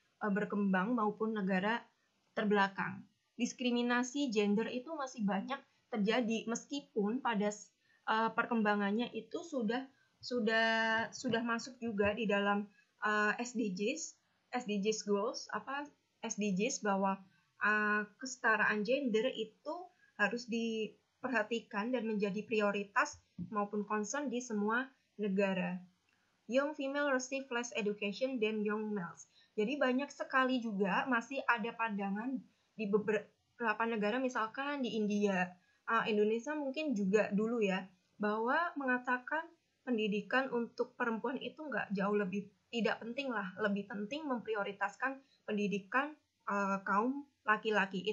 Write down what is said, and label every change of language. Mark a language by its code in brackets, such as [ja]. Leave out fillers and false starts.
[id] berkembang maupun negara terbelakang. Diskriminasi gender itu masih banyak terjadi meskipun pada perkembangannya itu sudah masuk juga di dalam SDGs goals, apa SDGs, bahwa kesetaraan gender itu harus diperhatikan dan menjadi prioritas maupun concern di semua negara. [en] Young female receive less education than young males. [id] Jadi banyak sekali juga masih ada pandangan di beberapa negara, misalkan di India, Indonesia mungkin juga dulu ya, bahwa mengatakan pendidikan untuk perempuan itu nggak jauh lebih, tidak penting lah, lebih penting memprioritaskan pendidikan kaum laki-laki.